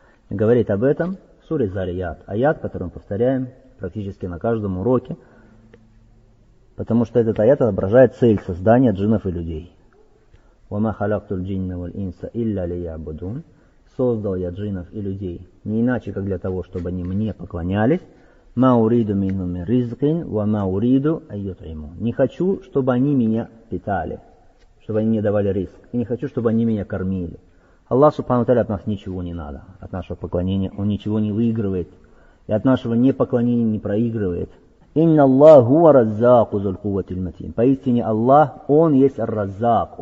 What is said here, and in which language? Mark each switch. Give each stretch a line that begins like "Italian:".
Russian: И говорит об этом в суре Зарьят, аят, который мы повторяем практически на каждом уроке, потому что этот аят отображает цель создания джиннов и людей.
Arabic: وَمَا خَلَقْتُ الْجِنَّ وَالْإِنْسَ إِلَّا لِيَعْبُدُونَ.
Russian: Создал я джиннов и людей не иначе, как для того, чтобы они мне поклонялись.
Arabic: مَا أُرِيدُ مِنْهُمْ رِزْقٍ وَمَا أُرِيدُ أَيُّطْعِمُ.
Russian: Не хочу, чтобы они меня питали, чтобы они мне давали риск. И не хочу, чтобы они меня кормили. Аллах Субхану Тааля от нас ничего не надо. От нашего поклонения Он ничего не выигрывает. И от нашего непоклонения не проигрывает.
Arabic: Инна Аллаху ар-Раззаку зуль-Куввати л-Матин.
Russian: Поистине Аллах, Он есть ар-Раззак.